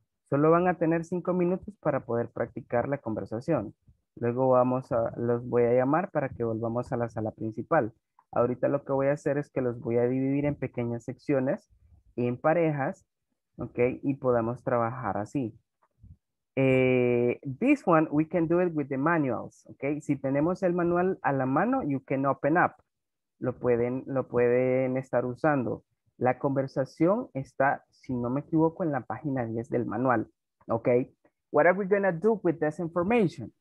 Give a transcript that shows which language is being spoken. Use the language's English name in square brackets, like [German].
[Spanish] Solo van a tener 5 minutos para poder practicar la conversación. Luego vamos a, los voy a llamar para que volvamos a la sala principal. Ahorita lo que voy a hacer es que los voy a dividir en pequeñas secciones, en parejas, ok, y podamos trabajar así. [English] This one, we can do it with the manuals, okay? [Spanish] Si tenemos el manual a la mano, [English] you can open up. [Spanish] Lo pueden estar usando. La conversación está, si no me equivoco, en la página 10 del manual, okay? [English] What are we gonna do with this information?